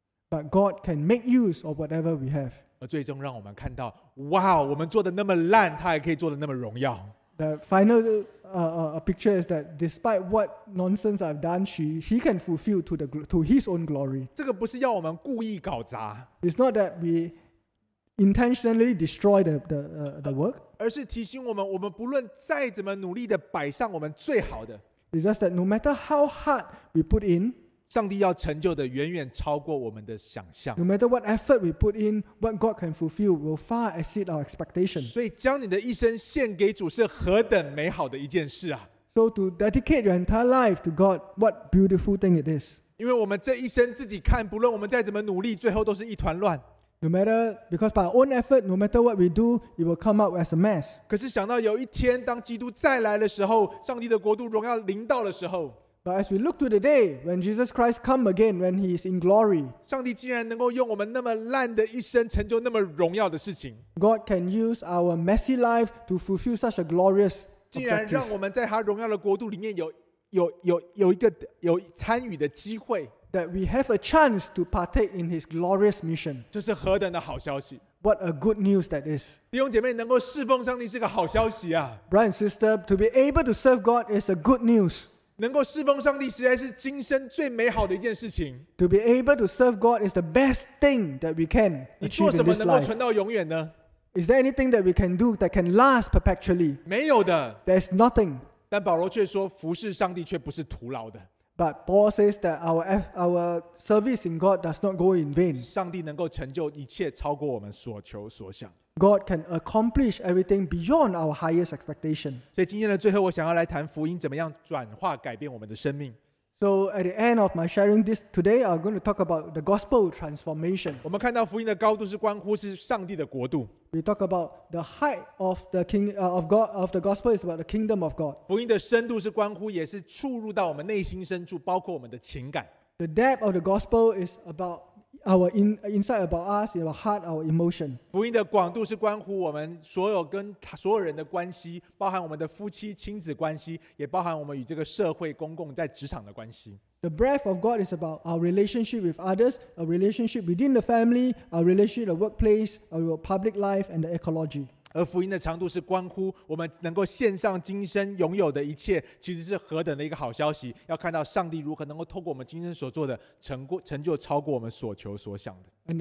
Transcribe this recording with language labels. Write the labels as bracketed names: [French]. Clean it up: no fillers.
[English] But God can make use of whatever we have. [Chinese] 而最终让我们看到，哇，我们做的那么烂，他还可以做的那么荣耀。 [English] The final picture is that despite what nonsense I've done, he can fulfill to his own glory. [Chinese] 这个不是要我们故意搞砸。 [English] It's not that we intentionally destroy the work. [Chinese] 而是提醒我们，我们不论再怎么努力的摆上我们最好的。 [English] It's just that no matter how hard we put in, [Chinese] 上帝要成就的远远超过我们的想象。 [English] No matter what effort we put in, what God can fulfill will far exceed our expectation. [Chinese] 所以将你的一生献给主是何等美好的一件事啊。 [English] So to dedicate your entire life to God, what beautiful thing it is. [Chinese] 因为我们这一生自己看，不论我们再怎么努力，最后都是一团乱。 [English] No matter, because by our own effort, no matter what we do, it will come out as a mess. [Chinese] 可是想到有一天，当基督再来的时候，上帝的国度荣耀临到的时候。 [English] But as we look to the day when Jesus Christ come again, when he is in glory. [Chinese] 上帝竟然能够用我们那么烂的一生成就那么荣耀的事情。 [English] God can use our messy life to fulfill such a glorious objective. [Chinese] 竟然让我们在他荣耀的国度里面有参与的机会。 [English] That we have a chance to partake in his glorious mission. [Chinese] 这是何等的好消息。 [English] What a good news that is. [Chinese] 弟兄姐妹，能够侍奉上帝是个好消息啊。 [English] Brother and sister, to be able to serve God is a good news. [Chinese] 能够侍奉上帝实在是今生最美好的一件事情。 [English] To be able to serve God is the best thing that we can achieve in this life. [Chinese] 你做什么能够存到永远呢？ [English] Is there anything that we can do that can last perpetually? [Chinese] 没有的。 [English] There's nothing. [Chinese] 但保罗却说，服侍上帝却不是徒劳的。 [English] But Paul says that our service in God does not go in vain. [Chinese] 上帝能够成就一切超过我们所求所想。 [English] God can accomplish everything beyond our highest expectation. [Chinese] 所以今天的最后，我想要来谈福音怎么样转化改变我们的生命。 [English] So at the end of my sharing this today, I'm going to talk about the gospel transformation. [Chinese] 我们看到福音的高度是关乎是上帝的国度。 [English] We talk about the height of the king of God of the gospel is about the kingdom of God. [Chinese] 福音的深度是关乎，也是触入到我们内心深处，包括我们的情感。 [English] The depth of the gospel is about our insight about us, our heart, our emotion. [Chinese] 福音的广度是关乎我们所有跟所有人的关系，包含我们的夫妻亲子关系，也包含我们与这个社会公共在职场的关系。 [English] The breath of God is about our relationship with others, our relationship within the family, our relationship the workplace, our public life and the ecology. [Chinese] 而福音的长度是关乎我们能够献上今生拥有的一切，其实是何等的一个好消息，要看到上帝如何能够透过我们今生所做的成就超过我们所求所想的。